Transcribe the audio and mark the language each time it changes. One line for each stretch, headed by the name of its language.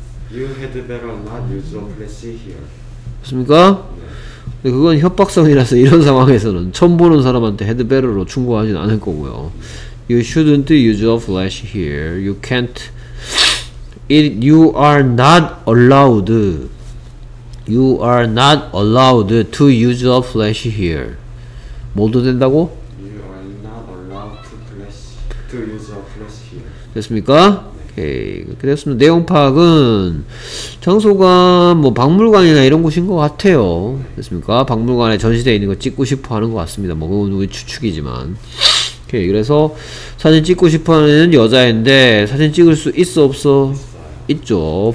English: You had better not use a flash here.
Korean: 맞습니까? 네. 근데 그건 협박성이라서 이런 상황에서는 처음 보는 사람한테 헤드베러로 충고하진 않을 거고요.
English: You shouldn't use a flash here. You can't. You are not allowed. You are not allowed to use a flash here.
Korean: 뭐도 된다고?
English: You are not allowed to use a flash here.
Korean: 됐습니까? 오케이. 그렇게 됐습니다. 내용 파악은 장소가 뭐 박물관이나 이런 곳인 것 같아요. 됐습니까? 박물관에 전시되어 있는 거 찍고 싶어 하는 것 같습니다. 뭐 그건 우리 추측이지만. 오케이. 그래서 사진 찍고 싶어 하는 여자인데 사진 찍을 수 있어 없어? 있죠.